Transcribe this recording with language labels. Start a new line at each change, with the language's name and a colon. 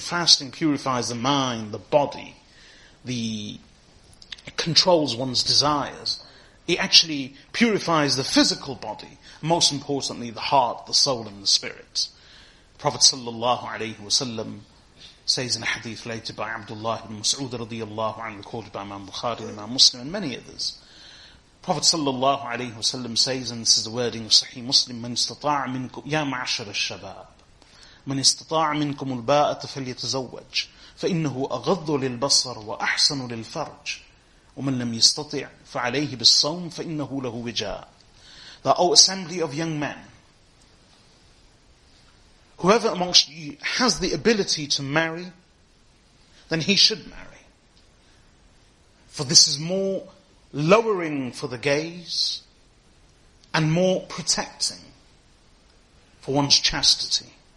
English: Fasting purifies the mind, the body, it controls one's desires. It actually purifies the physical body, most importantly the heart, the soul and the spirit. Prophet sallallahu alayhi wa sallam says in a hadith related by Abdullah ibn Mas'ud radiyallahu anhu, recorded by Imam Bukhari and Imam Muslim and many others. Prophet sallallahu alayhi wa sallam says, and this is the wording of Sahih Muslim,
Arabic: من استطاع منكم يا معشر الشباب من استطاع منكم الباءة فليتزوج فإنه أغض للبصر وأحسن للفرج ومن لم يستطع فعليه بالصوم فإنه له وجاء.
English: The O assembly of young men, whoever amongst you has the ability to marry, then he should marry. For this is more lowering for the gaze and more protecting for one's chastity.